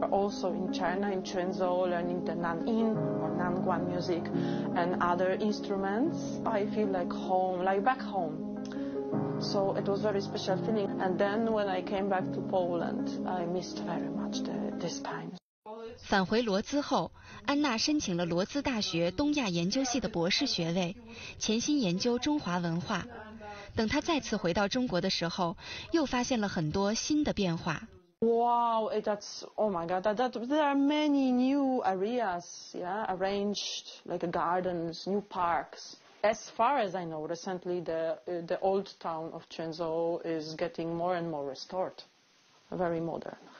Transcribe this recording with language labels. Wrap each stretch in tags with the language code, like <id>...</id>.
<en>Also in China, in Quanzhou, learning the Nanyin or Nanguan music and other instruments, I feel like home, like back home. So it was a very special feeling. And then when I came back to Poland, I missed very much this time.</en> <zh>返回罗兹后，安娜申请了罗兹大学东亚研究系的博士学位，潜心研究中华文化。等她再次回到中国的时候，又发现了很多新的变化。</zh> <en>Wow, that's, oh my God, there are many new areas, yeah, arranged like gardens, new parks. As far as I know, recently the old town of Quanzhou is getting more and more restored, very modern.</en>